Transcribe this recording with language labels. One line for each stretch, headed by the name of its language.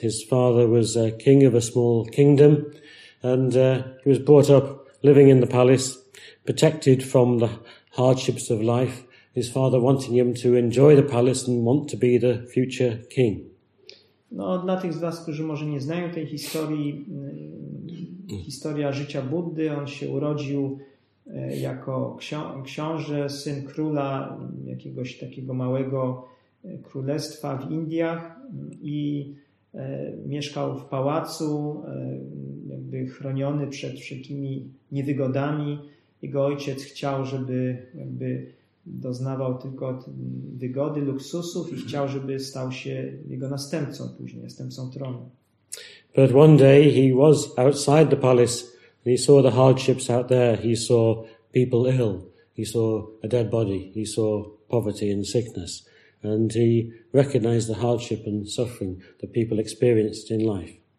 English: His father was a king of a small kingdom, and he was brought up living in the palace, protected from the hardships of life, his father wanting him to enjoy the palace and want to be the future king.
Polish: No, dla tych z was, którzy może nie znają tej historii, historia życia Buddy, on się urodził jako książę, syn króla jakiegoś takiego małego królestwa w Indiach i mieszkał w pałacu, jakby chroniony przed wszelkimi niewygodami. Jego ojciec chciał, żeby jakby doznawał tylko wygody, luksusów i chciał, żeby stał się jego następcą później, następcą tronu.
English: But one day he was outside the palace and he saw the hardships out there. He saw people ill. He saw a dead body. He saw poverty and sickness. And he recognized the hardship and suffering that people experienced in life.